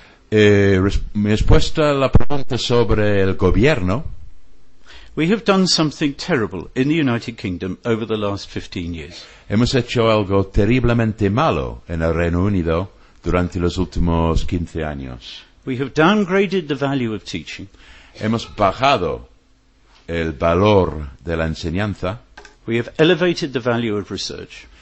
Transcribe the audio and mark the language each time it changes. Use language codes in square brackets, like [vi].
[es] Mi respuesta a la pregunta sobre el gobierno. [en] We have done something terrible in the United Kingdom over the last 15 years. [es] Hemos hecho algo terriblemente malo en el Reino Unido durante los últimos 15 años. [en] We have downgraded the value of teaching. [es] Hemos bajado el valor de la enseñanza. [en] We have elevated the value of research.